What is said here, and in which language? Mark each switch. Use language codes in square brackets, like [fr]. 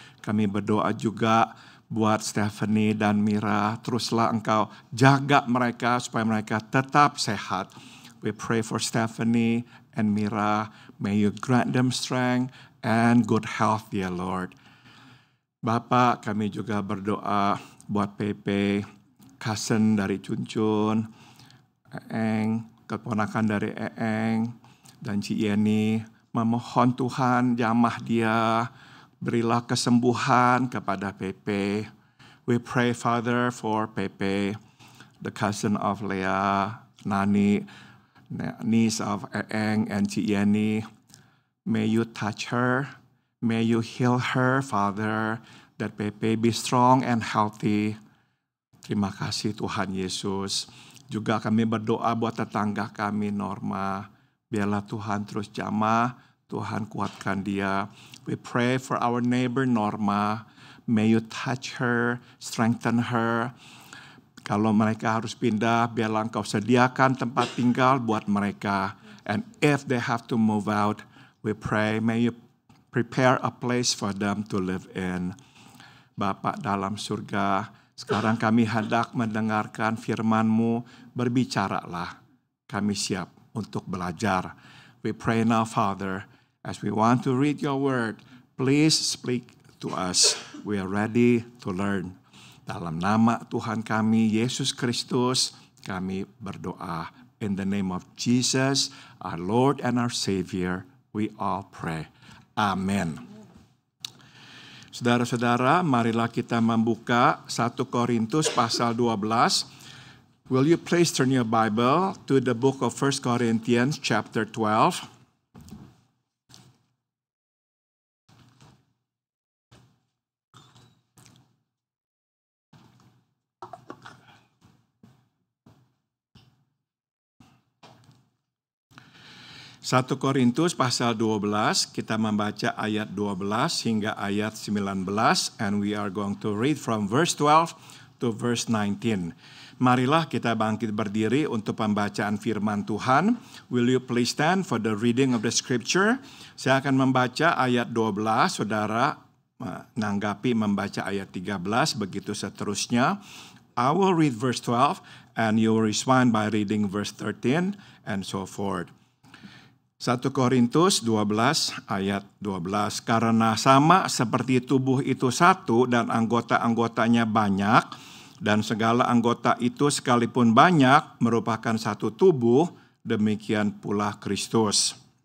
[id] Kami berdoa juga buat Stephanie dan Mira, teruslah Engkau jaga mereka supaya mereka tetap sehat. [en] We pray for Stephanie and Mira. May you grant them strength and good health, dear Lord. [id] Bapa, kami juga berdoa buat Pepe, cousin dari Cuncun, Eeng, keponakan dari Eeng, dan Ci Yeni, memohon Tuhan jamah dia, berilah kesembuhan kepada Pepe. [en] We pray, Father, for Pepe, the cousin of Lea, Nani, niece of Eeng and Ci Yeni. May you touch her, may you heal her, Father, that Pepe be strong and healthy. [id] Terima kasih Tuhan Yesus. Juga kami berdoa buat tetangga kami, Norma. Biarlah Tuhan terus jamah, Tuhan kuatkan dia. [en] We pray for our neighbor Norma. May you touch her, strengthen her. [id] Kalau mereka harus pindah, biarlah Engkau sediakan tempat tinggal buat mereka. [en] And if they have to move out, we pray, may you prepare a place for them to live in. [id] Bapa dalam surga, sekarang kami hendak mendengarkan firman-Mu, berbicaralah, kami siap untuk belajar. [en] We pray now, Father, as we want to read your word, please speak to us. We are ready to learn. [id] Dalam nama Tuhan kami, Yesus Kristus, kami berdoa. [en] In the name of Jesus, our Lord and our Savior, we all pray. Amen. [id] Saudara-saudara, marilah kita membuka 1 Korintus pasal 12. [en] Will you please turn your Bible to the book of 1 Corinthians chapter 12? [id] Satu Korintus pasal 12, kita membaca ayat 12 hingga ayat 19, [en] and we are going to read from verse 12 to verse 19. [id] Marilah kita bangkit berdiri untuk pembacaan firman Tuhan. [en] Will you please stand for the reading of the scripture? [id] Saya akan membaca ayat 12, saudara menanggapi membaca ayat 13, begitu seterusnya. [en] I will read verse 12, and you will respond by reading verse 13, and so forth. [id] 1 Korintus 12 ayat 12, karena sama seperti tubuh itu satu dan anggota-anggotanya banyak, dan segala anggota itu sekalipun banyak merupakan satu tubuh, demikian pula Kristus.